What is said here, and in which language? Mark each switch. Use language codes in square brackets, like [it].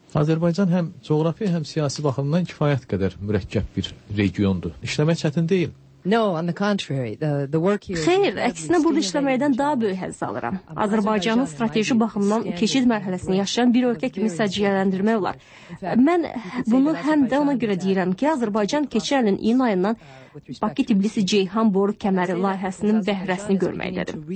[az] Azərbaycan həm coğrafi, həm siyasi baxımdan kifayət qədər mürəkkəb bir regiondur. İşləmək çətin deyil. [en] No, on the contrary, the work here. [az] Xeyr, əksinə burada işləməkdən daha böyük həzz alıram. Azərbaycanın strateji baxımından keçid mərhələsini yaşayan bir ölkə kimi səciyyələndirmək olar. Mən bunu həm də ona görə deyirəm ki, Azərbaycan keçən ilin iyun ayından Bakı-Tiblisi-Ceyhan boru kəməri layihəsinin bəhrəsini görməkdədir.